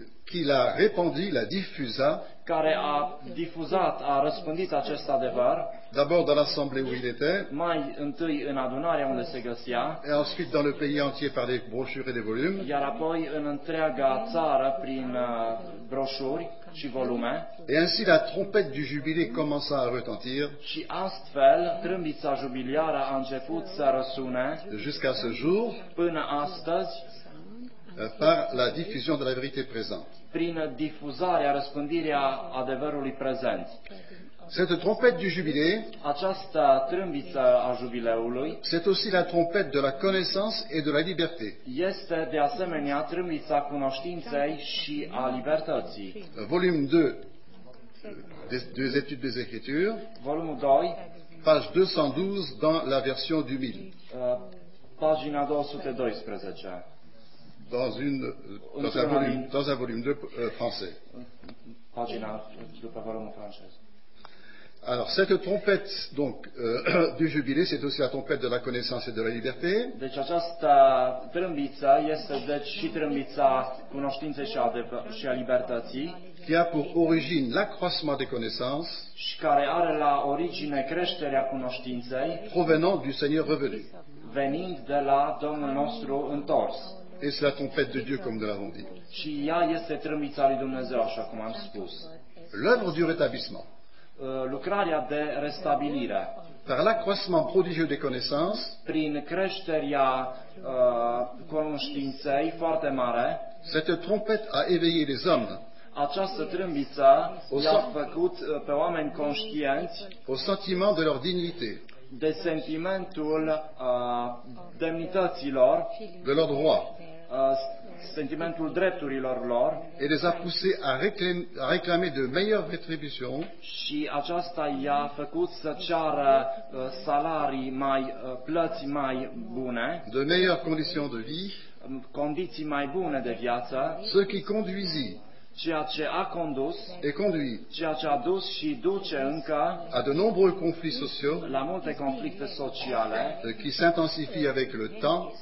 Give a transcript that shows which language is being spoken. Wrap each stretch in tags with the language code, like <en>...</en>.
<fr>qui l'a répandu, l'a diffusa,</fr> <ro>care a difuzat, a răspândit acest adevăr,</ro> <fr>d'abord dans l'assemblée où il était,</fr> <ro>mai întâi în adunarea unde se găsea,</ro> <fr>et ensuite dans le pays entier par les brochures et les volumes,</fr> <ro>iar apoi în întreaga țară prin broșuri și volume,</ro> <fr>et ainsi la trompette du jubilé commença à retentir,</fr> <ro>și astfel trâmbița jubiliară a început să răsune,</ro> <fr>jusqu'à ce jour,</fr> <ro>până astăzi,</ro> <fr>par la diffusion de la vérité présente.</fr> <ro>Prin difuzarea, răspândirea adevărului prezent.</ro> <fr>Cette trompette du jubilé,</fr> <ro>această trâmbiță a jubileului,</ro> <fr>c'est aussi la trompette de la connaissance et de la liberté.</fr> <ro>Este de asemenea trâmbița cunoștinței și a libertății.</ro> <fr>Volume 2 des études des écritures,</fr> <ro>volumul 2,</ro> <fr>page 212 dans la version du mille.</fr> <ro>Pagina 212.</ro> <fr>Dans un volume 2 français.</fr> <ro>Pagina,</ro> <fr>je ne peux pas voir mon français. Alors, cette trompette donc, du jubilé, c'est aussi la trompette de la connaissance et de la liberté.</fr> <ro>Deci, această trâmbiță este, deci, și trâmbița cunoștinței și a libertății.</ro> <fr>Qui a pour origine l'accroissement des connaissances.</fr> <ro>Și care are la origine creșterea cunoștinței.</ro> <fr>Provenant du Seigneur revenu.</fr> <ro>Venind de la Domnul nostru întors.</ro> <fr>Et c'est la trompette de Dieu, comme nous l'avons dit.</fr> <ro>Și ea este trâmbița lui Dumnezeu, așa cum am spus.</ro> <fr>L'œuvre du rétablissement.</fr> <ro>Lucrarea de restabilire.</ro> <fr>Par l'accroissement prodigieux des connaissances.</fr> <ro>Prin creșterea cunoștinței foarte mare.</ro> <fr>Cette trompette a éveillé les hommes.</fr> <ro>Această trâmbiță i-a făcut pe oameni conștienți.</ro> <fr>Au sentiment de leur dignité.</fr> <ro>De sentimentul demnităților,</ro> <fr>de leur droit,</fr> <ro>sentimentul drepturilor lor,</ro> <fr>et les a poussés à réclamer de meilleures rétributions,</fr> <ro>și aceasta i-a făcut să ceară salarii mai, plăți mai bune,</ro> <fr>de meilleures conditions de vie,</fr> <ro>condiții mai bune de viață,</ro> <fr>ce qui conduisit,</fr> <ro>ceea ce a condus,</ro> <fr>et conduit,</fr> <ro>ceea ce a dus și duce încă,</ro> <fr>à de nombreux conflits sociaux,</fr> <ro>la multe conflicte sociale,</ro> <fr>qui s'intensifie avec le temps,</fr>